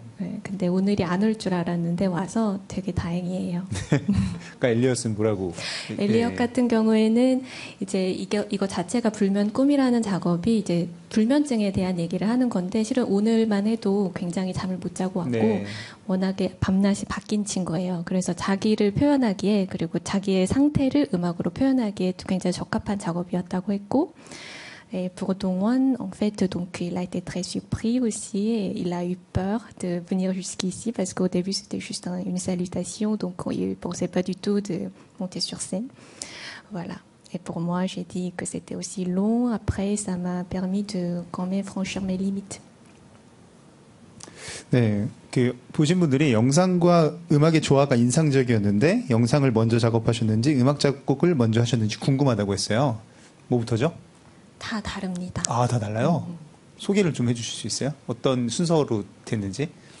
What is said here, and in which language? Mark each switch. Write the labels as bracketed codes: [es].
[ko] 네, 근데 오늘이 안 올 줄 알았는데 와서 되게 다행이에요. 그러니까 엘리엇은 뭐라고? 엘리엇 네. 같은 경우에는 이제 이거 자체가 불면 꿈이라는 작업이 이제 불면증에 대한 얘기를 하는 건데 실은 오늘만 해도 굉장히 잠을 못 자고 왔고 네. 워낙에 밤낮이 바뀐 친구예요. 그래서 자기를 표현하기에 그리고 자기의 상태를 음악으로 표현하기에 굉장히 적합한 작업이었다고 했고 [fr] Et pour Dongwon, en fait, donc, il a été très surpris aussi et il a eu peur de venir jusqu'ici parce qu'au début, c'était juste une salutation. Donc, il ne pensait pas du tout de monter sur scène. Voilà. Et pour moi, j'ai dit que c'était aussi long. Après, ça m'a permis de quand même franchir mes limites. [ko] 네, 그 보신 분들이 영상과 음악의 조화가 인상적이었는데 영상을 먼저 작업하셨는지 음악 작곡을 먼저 하셨는지 궁금하다고 했어요. 뭐부터죠? 다 다릅니다. 아, 다 달라요? 소개를 좀 해주실 수 있어요? 어떤 순서로 됐는지?